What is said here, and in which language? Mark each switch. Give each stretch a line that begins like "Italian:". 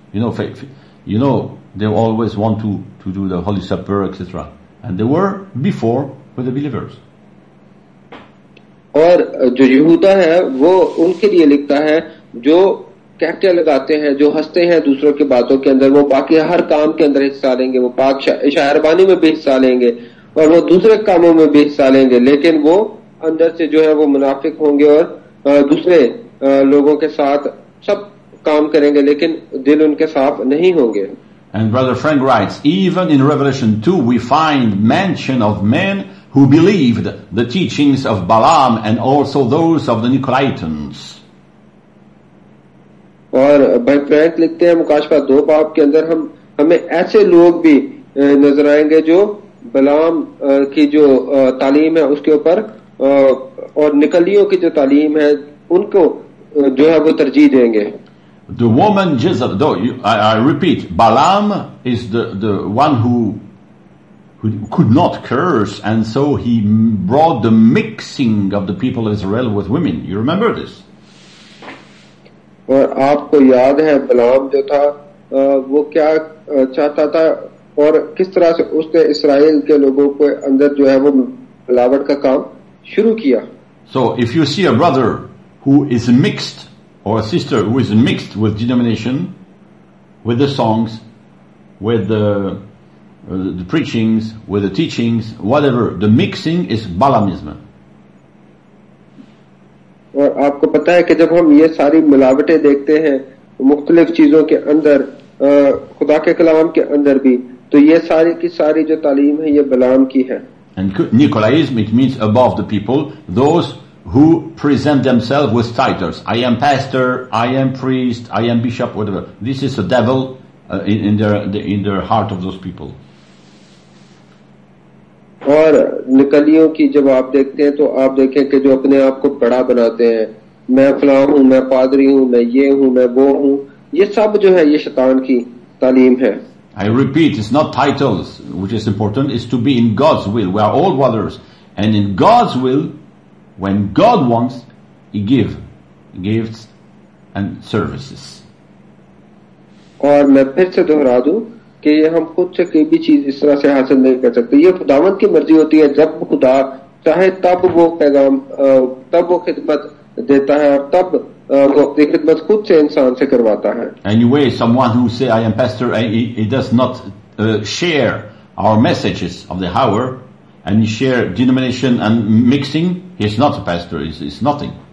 English: You know they always want to do the Holy Supper etc. And they were before with the believers.
Hindi: और जो यहूदा है वो उनके लिए लिखता है जो कहते लगाते हैं जो हंसते हैं दूसरों की बातों के अंदर वो बाकी हर काम के अंदर हिस्सा लेंगे वो पाक शायरबानी में भी हिस्सा लेंगे और वो दूसरे कामों में भी हिस्सा लेंगे लेकिन वो अंदर से जो है वो मुनाफिक होंगे और दूसरे लोगों के साथ सब काम करेंगे लेकिन दिल उनके साफ नहीं होंगे.
English: And brother Frank writes, even in Revelation 2 we find mention of men who believed the teachings of Balaam and also those of the Nicolaitans.
Hindi: और भाई फ्रैंक लिखते हैं मुकाशफा 2 बाब के अंदर हमें ऐसे लोग भी नजर आएंगे जो बलाम की जो तालीम है उसके ऊपर और निकलियों की जो तालीम है उनको जो है वो तरजीह देंगे.
English: The woman Jezebel, though I repeat, Balaam is the one who could not curse, and so he brought the mixing of the people of Israel with women. You remember this?
Hindi: और आपको याद है बलाम जो था वो क्या चाहता था और किस तरह से उसने इसराइल के लोगों के अंदर जो है वो मिलावट का काम शुरू किया.
English: So if you see a brother who is mixed or a sister who is mixed with denomination, with the songs, with the preachings, with the teachings, whatever, the mixing is Balaamism.
Hindi: और आपको पता है कि जब हम ये सारी मिलावटें देखते हैं मुख्तलिफ चीजों के अंदर खुदा के कलाम के अंदर भी तो ये सारी की सारी जो तालीम है ये बलाम की है.
English: And Nicolaism, it means above the people, those who present themselves with titles. I am pastor, I am priest, I am bishop, whatever. This is a devil in their heart of those people.
Hindi: और निकलियों की जब आप देखते हैं तो आप देखें कि जो अपने आप को बड़ा बनाते हैं मैं फलां हूं मैं पादरी हूं मैं ये हूं मैं वो हूं ये सब जो है ये शैतान की तालीम है.
English: I repeat, it's not titles which is important, it's to be in God's will. We are all brothers. And in God's will, when God wants, He gives gifts and services.
Hindi: और मैं फिर से दोहरा दूं कि हम खुद से कोई भी चीज इस तरह से हासिल नहीं कर सकते. ये खुदावंत की मर्जी होती है. जब खुदा चाहे तब वो पैगाम तब वो खिदमत देता है और तब खुद से इंसान से करवाता है.
English: Anyway, someone who say I am pastor, he does not share our messages of the hour, and share denomination and mixing, he's not a pastor, he's nothing.